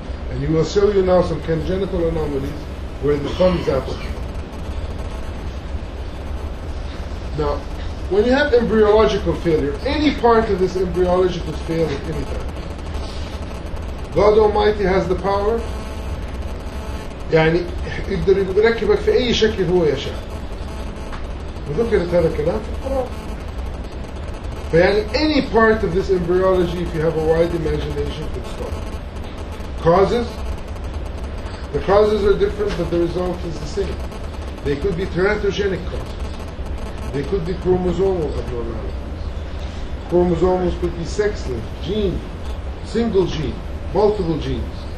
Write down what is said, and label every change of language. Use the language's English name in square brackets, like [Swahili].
[English] And we will show you now some congenital anomalies where the thumb is absent. Now, when you have embryological failure, any part of this embryology could fail at any time. God Almighty has the power. [Arabic] يعني يقدر يركبك في أي شكل هو يشاء. وذكرت هذا الكلام في القرآن. [English] Any part of this embryology, if you have a wide imagination, could stop. Causes? The causes are different, but the result is the same. They could be teratogenic causes. They could be chromosomal abnormalities. Chromosomes could be sex-linked, gene, single gene, multiple genes.